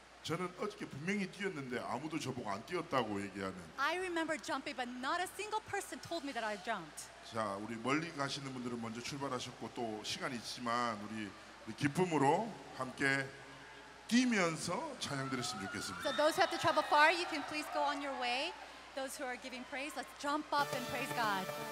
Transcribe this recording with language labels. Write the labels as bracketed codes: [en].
[ko] 저는 어저께 분명히 뛰었는데 아무도 저보고 안 뛰었다고 얘기하는. [en] I remember jumping, but not a single person told me that I jumped. [ko] 자, 우리 멀리 가시는 분들은 먼저 출발하셨고 또 시간이 있지만 우리 기쁨으로 함께 뛰면서 찬양 드렸으면 좋겠습니다. [en] So those who have to travel far, you can please go on your way. Those who are giving praise, let's jump up and praise God.